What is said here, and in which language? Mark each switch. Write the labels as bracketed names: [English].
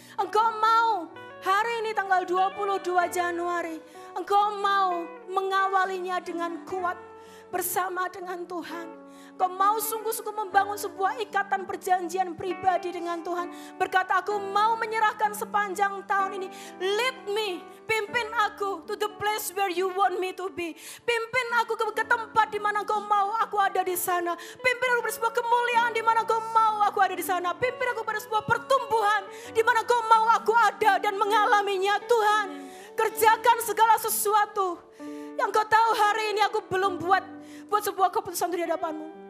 [Indonesian] Engkau mau hari ini tanggal 22 Januari. Engkau mau mengawalinya dengan kuat bersama dengan Tuhan. Kau mau sungguh-sungguh membangun sebuah ikatan perjanjian pribadi dengan Tuhan. Berkata, aku mau menyerahkan sepanjang tahun ini. [English] Lead me, [Indonesian] pimpin aku [English] to the place where you want me to be. [Indonesian] Pimpin aku ke tempat di mana kau mau aku ada di sana. Pimpin aku pada sebuah kemuliaan di mana kau mau aku ada di sana. Pimpin aku pada sebuah pertumbuhan di mana kau mau aku ada dan mengalaminya. Tuhan, kerjakan segala sesuatu yang kau tahu hari ini aku belum buat sebuah keputusan di hadapanmu.